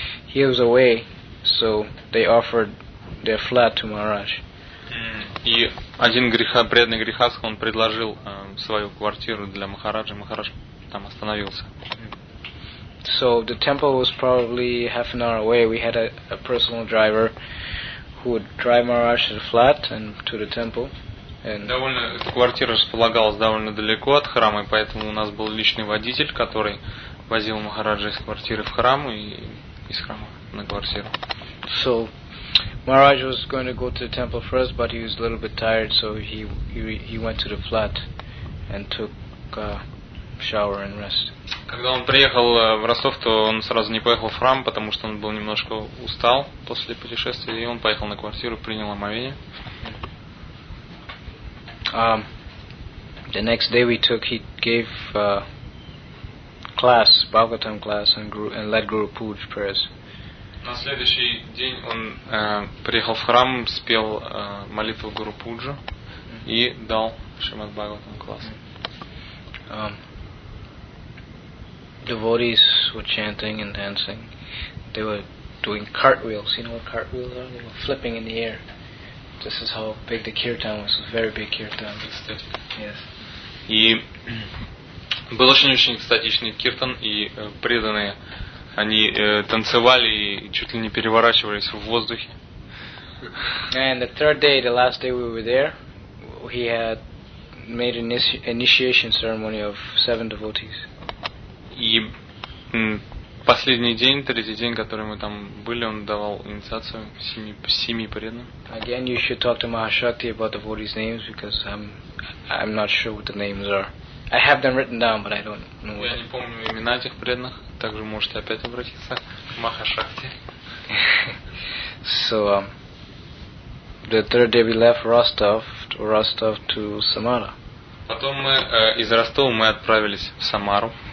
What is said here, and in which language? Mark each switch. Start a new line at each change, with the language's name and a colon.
English: He was away, so they offered their flat to Maharaj.
Russian: И один преданный Грихас, он предложил свою квартиру для Махараджа. Махарадж там остановился.
English: So the temple was probably half an hour away. We had a personal driver who would drive Maharaj to the flat and to the temple. And
Russian: довольно квартира располагалась довольно далеко от храма, и поэтому у нас был личный водитель, который возил Махараджа из квартиры в храм и из храма на квартиру.
English: So Maharaj was going to go to the temple first, but he was a little bit tired, so he went to the flat and took shower and rest.
Russian: Когда он приехал в Ростов, то он сразу не поехал в храм, потому что он был немножко устал после путешествия, и он поехал на квартиру, принял омовение.
English: The next day we took, he gave class, Bhagavatam class, and led Guru Pooj prayers.
Russian: На следующий день он приехал в храм, спел молитву Гуру Пуджу и дал Шримад Бхагаватам класс.
English: Devotees were chanting and dancing. They were doing cartwheels. You know what cartwheels are? They were flipping in the air. This is how big the kirtan was. It was a very big kirtan. Yes.
Russian: И был очень-очень статичный киртан, и преданные, они танцевали и чуть ли не переворачивались в воздухе.
English: And the third day, the last day we were there, he had made an initiation ceremony of 7 devotees.
Russian: И последний день, третий день, который мы там были, он давал инициацию семи преданным.
English: Again, you should talk to Mahashakti about the devotees' names, because I'm not sure what the names are. I have them written down, but I don't know.
Russian: Я не помню имена этих преданных. Также можете опять обратиться к Махашакти.
English: So, the third day we left Rostov to Samara.
Russian: Потом мы из Ростова мы отправились в Самару.